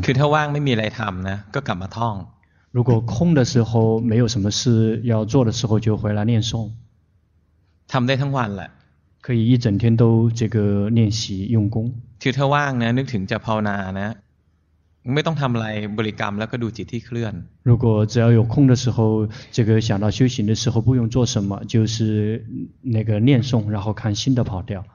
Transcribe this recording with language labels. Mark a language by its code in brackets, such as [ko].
[th] คือถ้าว่างไม่มีอะไรทำนะก็กลับมาท่อง [zh] 如果空的时候没有什么事要做的时候就回来念诵 [th] ทำได้ทั้งวันแหละ [zh] 可以一整天都这个练习用功 [th] คือถ้าว่างนะนึกถึงจะภาวนานะไม่ต้องทำอะไรบริกรรมแล้วก็ดูจิตที่เคลื่อน [zh] 如果只要有空的时候这个想到修行的时候不用做什么就是那个念诵然后看心的跑掉